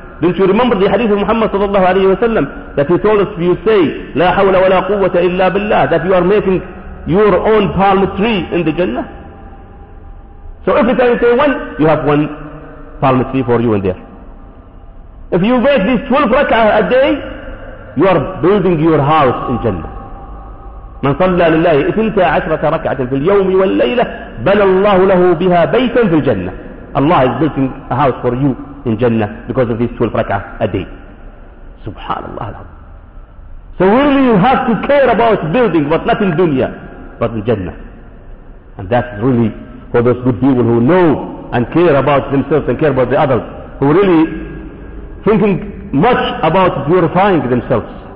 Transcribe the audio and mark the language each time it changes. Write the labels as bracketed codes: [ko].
[en] Don't you remember the hadith of Muhammad sallallahu alayhi wa sallam that he told us, you say, la hawla wa la quwwata illa billah, that you are making your own palm tree in the Jannah. So every time you say one, you have one palm tree for you in there. If you make these 12 rak'ah a day, you are building your house in Jannah. [ar] من صلى لله 12 ركعة في اليوم والليلة بنى الله له بها بيتا في الجنة. [en] Allah is building a house for you in Jannah because of these 12 rak'ah a day. Subhanallah. So really you have to care about building, but not in dunya, but in Jannah. And that's really for those good people who know and care about themselves and care about the others, who really thinking much about purifying themselves.